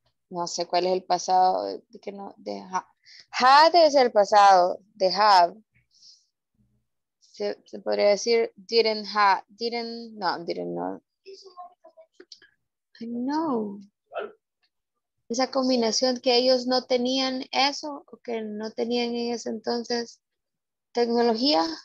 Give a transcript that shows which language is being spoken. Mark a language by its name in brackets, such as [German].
[Spanish] No sé cuál es el pasado de que no, de had es el pasado de have. Se podría decir [English] didn't have, didn't, [Spanish] no, [English] didn't know. I know. [Spanish] Esa combinación que ellos no tenían eso, o que no tenían en ese entonces tecnología.